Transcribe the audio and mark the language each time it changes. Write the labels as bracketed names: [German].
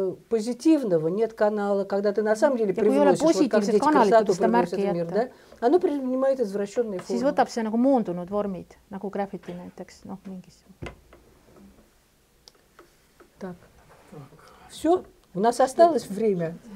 [Russian] позитивного, нет канала, когда ты на самом деле привносишь, вот как дети красоту приносят в мир, да, оно принимает извращенные формы. [Estonian] Siis võtab see nagu muundunud vormid, nagu graffiti näiteks, noh, mingis. [Russian] Так. Все, у нас осталось время.